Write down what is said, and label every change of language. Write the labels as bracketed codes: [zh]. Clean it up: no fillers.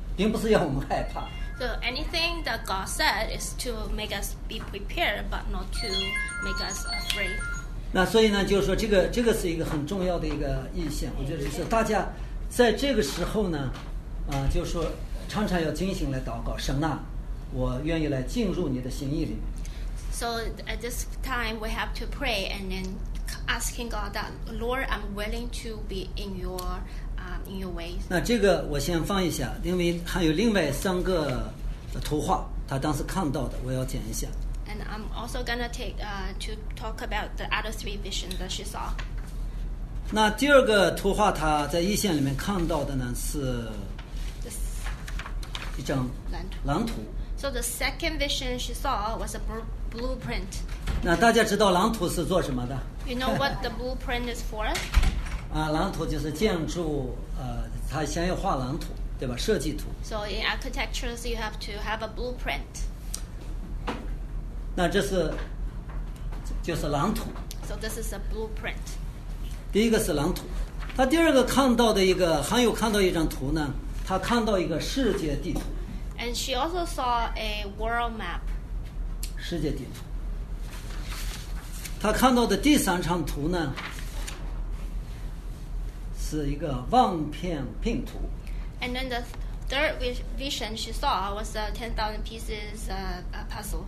[zh] 并不是要我们害怕。 [en] So anything that God said is to make us be prepared, but not to make us afraid. [zh] 那所以呢，就是说这个是一个很重要的一个意象。我觉得是大家在这个时候呢，就是说常常要警醒来祷告，神啊，我愿意来进入你的心意里面。 [en] So at this time we have to pray and then asking God that Lord, I'm willing to be in your. [zh] 那这个我先放一下，因为还有另外三个图画，他当时看到的，我要讲一下。 [en] And I'm also gonna take to talk about the other three visions that she saw. [zh] 那第二个图画，他在异象里面看到的呢是一张蓝图。 [en] So the second vision she saw was a blueprint. [zh] 那大家知道蓝图是做什么的 [en] ？You know what the blueprint is for? [zh] 蓝图就是建筑，它先要画蓝图，对吧？设计图。 [en] So in architectures, you have to have a blueprint. [zh] 那这是，就是蓝图。 [en] So this is a blueprint. [zh] 第一个是蓝图，他第二个看到的一个，还有看到一张图呢，他看到一个世界地图。 [en] And she also saw a world map. [zh] 世界地图。他看到的第三张图呢？是一个望片拼图。 [en] And then the third vision she saw was a 10,000 pieces puzzle.